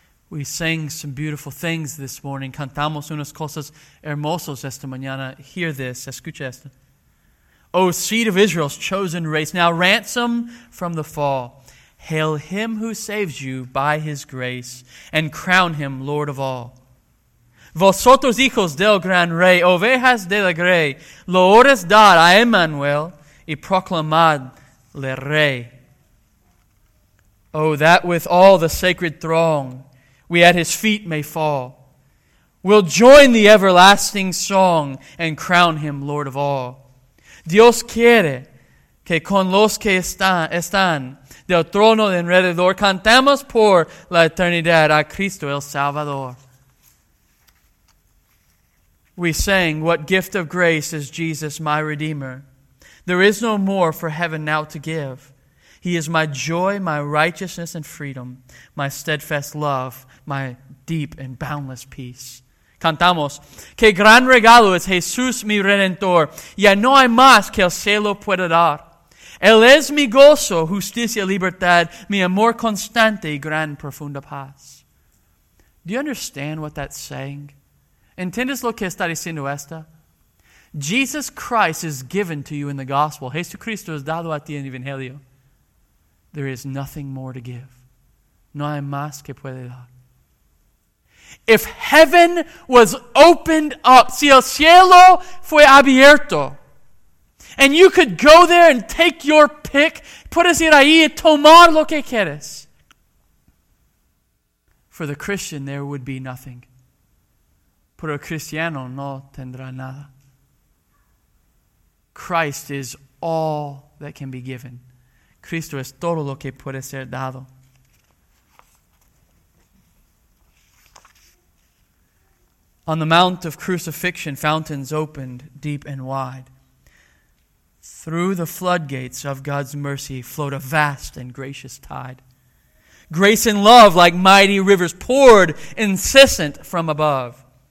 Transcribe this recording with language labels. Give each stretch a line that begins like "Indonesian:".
English: We sang some beautiful things this morning.
Spanish: Cantamos unas cosas hermosas esta mañana.
English: Hear this,
Spanish: escucha esto.
English: O seed of Israel's chosen race, now ransom from the fall. Hail him who saves you by his grace, and crown him Lord of all.
Spanish: Vosotros hijos del gran rey, ovejas de la grey, loores dad a Emmanuel, y proclamad le rey.
English: O that with all the sacred throng we at his feet may fall. We'll join the everlasting song, and crown him Lord of all.
Spanish: Dios quiere que con los que están del trono de alrededor cantemos por la eternidad a Cristo el Salvador.
English: We sang, what gift of grace is Jesus my Redeemer? There is no more for heaven now to give. He is my joy, my righteousness and freedom, my steadfast love, my deep and boundless peace.
Spanish: Cantamos, qué gran regalo es Jesús mi Redentor, ya no hay más que el cielo pueda dar. Él es mi gozo, justicia, libertad, mi amor constante y gran profunda paz.
English: Do you understand what that's saying?
Spanish: ¿Entiendes lo que está diciendo esta?
English: Jesus Christ is given to you in the gospel.
Spanish: Jesucristo es dado a ti en el Evangelio.
English: There is nothing more to give.
Spanish: No hay más que puede dar.
English: If heaven was opened up,
Spanish: si el cielo fue abierto,
English: and you could go there and take your pick,
Spanish: puedes ir ahí y tomar lo que quieres.
English: For the Christian, there would be nothing.
Spanish: Pero el cristiano no tendrá nada.
English: Christ is all that can be given.
Spanish: Cristo es todo lo que puede ser dado.
English: On the Mount of Crucifixion, fountains opened deep and wide. Through the floodgates of God's mercy flowed a vast and gracious tide. Grace and love, like mighty rivers, poured incessant from above.